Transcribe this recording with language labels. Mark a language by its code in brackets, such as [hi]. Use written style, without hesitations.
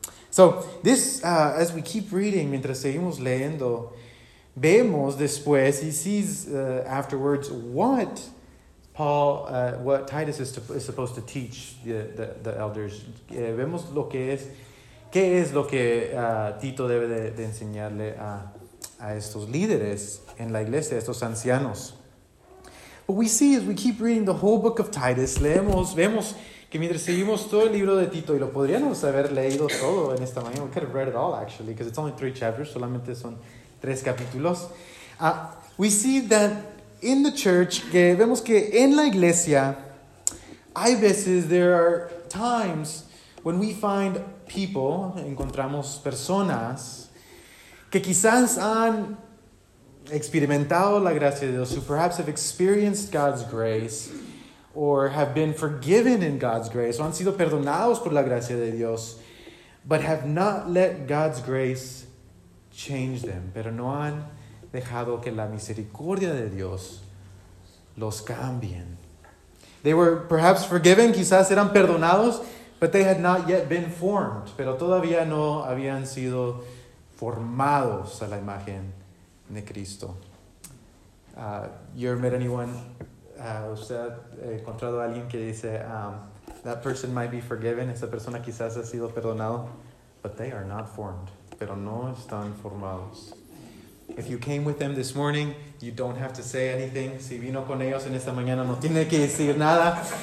[en] So this, as we keep reading, [es] mientras seguimos leyendo, vemos después, [en] he sees afterwards what Paul, what Titus is supposed to teach the elders. [es] Vemos lo que es, qué es lo que Tito debe de enseñarle a estos líderes en la iglesia, estos ancianos. [en] But we see as we keep reading the whole book of Titus, [es] leemos, vemos que mientras seguimos todo el libro de Tito, y lo podríamos haber leído todo en esta mañana, [en] we could have read it all actually, because it's only 3 chapters, [es] solamente son 3 capítulos. [en] We see that in the church, [es] que vemos que en la iglesia, hay veces, [en] there are times when we find people, [es] encontramos personas, que quizás han experimentado la gracia de Dios, [en] who perhaps have experienced God's grace, or have been forgiven in God's grace, [es] o han sido perdonados por la gracia de Dios, [en] but have not let God's grace change them, [es] pero no han dejado que la misericordia de Dios los cambien. [en] They were perhaps forgiven, [es] quizás eran perdonados, [en] but they had not yet been formed. [es] Pero todavía no habían sido formados a la imagen de Cristo. [en] You ever met anyone? [es] Usted ha encontrado a alguien que dice, [en] that person might be forgiven. [es] Esa persona quizás ha sido perdonado, [en] but they are not formed. [es] Pero no están formados. [en] If you came with them this morning, you don't have to say anything. [es] Si vino con ellos en esta mañana, no tiene que decir nada.